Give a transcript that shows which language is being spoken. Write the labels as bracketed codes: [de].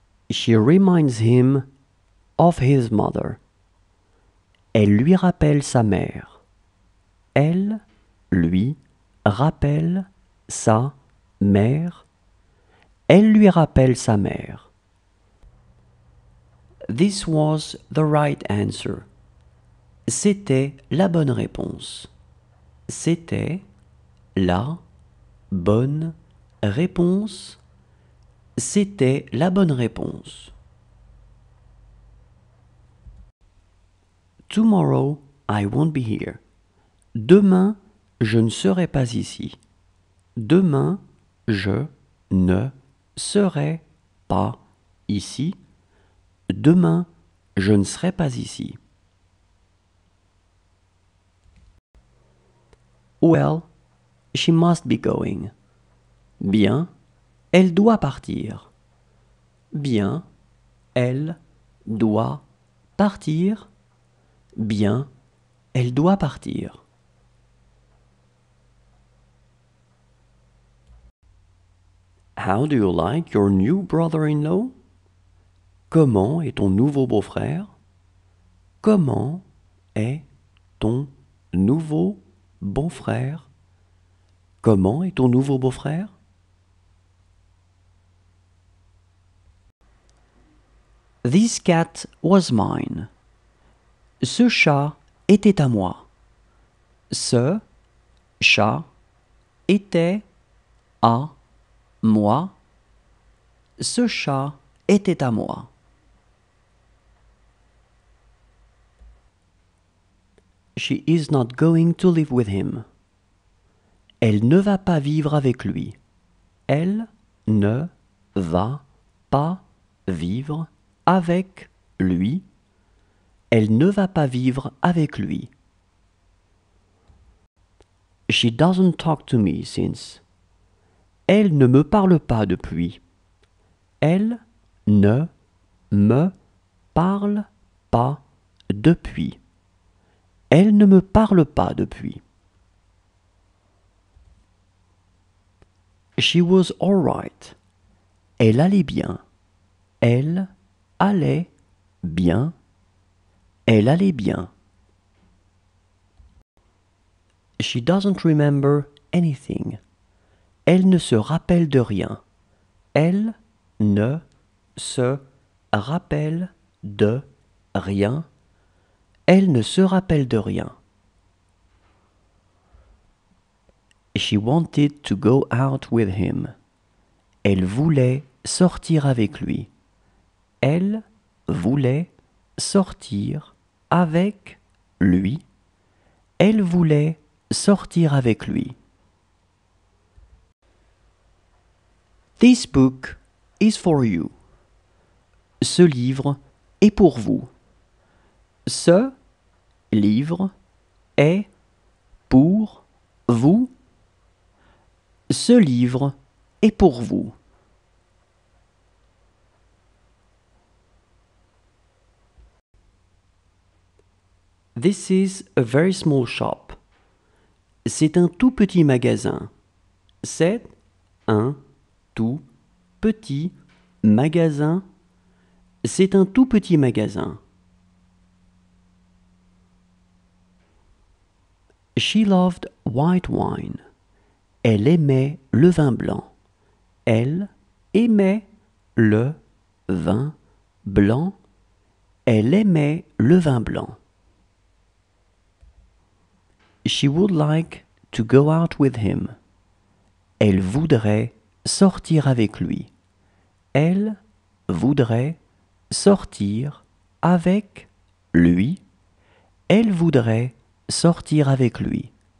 [en] She reminds him of his mother. [fr] Elle lui rappelle sa mère. Elle lui rappelle sa mère. Elle lui rappelle sa mère. [en] This was the right answer. [fr] C'était la bonne réponse. C'était la bonne réponse. C'était la bonne réponse. [en] Tomorrow, I won't be here. [fr] Demain, je ne serai pas ici. Demain, je ne serai pas ici. Demain, je ne serai pas ici. [en] Well, she must be going. [fr] Bien, elle doit partir. Bien, elle doit partir. Bien, elle doit partir. [en] How do you like your new brother-in-law? [fr] Comment est ton nouveau beau-frère? Comment est ton nouveau beau-frère? Comment est ton nouveau beau-frère? [en] This cat was mine. [fr] Ce chat était à moi. Ce chat était à moi. Ce chat était à moi. [en] She is not going to live with him. [fr] Elle ne va pas vivre avec lui. Elle ne va pas vivre avec lui. Elle ne va pas vivre avec lui. [en] She doesn't talk to me since. [fr] Elle ne me parle pas depuis. Elle ne me parle pas depuis. Elle ne me parle pas depuis. [en] She was all right. [fr] Elle allait bien. Elle allait bien. Elle allait bien. [en] She doesn't remember anything. [fr] Elle ne se rappelle de rien. Elle ne se rappelle de rien. Elle ne se rappelle de rien. [en] She wanted to go out with him. [fr] Elle voulait sortir avec lui. Elle voulait sortir avec lui. Elle voulait sortir avec lui. [en] This book is for you. [fr] Ce livre est pour vous. Ce livre est pour vous. Ce livre est pour vous. [en] This is a very small shop. [fr] C'est un tout petit magasin. C'est un tout petit magasin. C'est un tout petit magasin. [en] She loved white wine. [fr] Elle aimait le vin blanc. Elle aimait le vin blanc. Elle aimait le vin blanc. [en] She would like to go out with him. [fr] Elle voudrait sortir avec lui. Elle voudrait sortir avec lui. Elle voudrait sortir avec lui.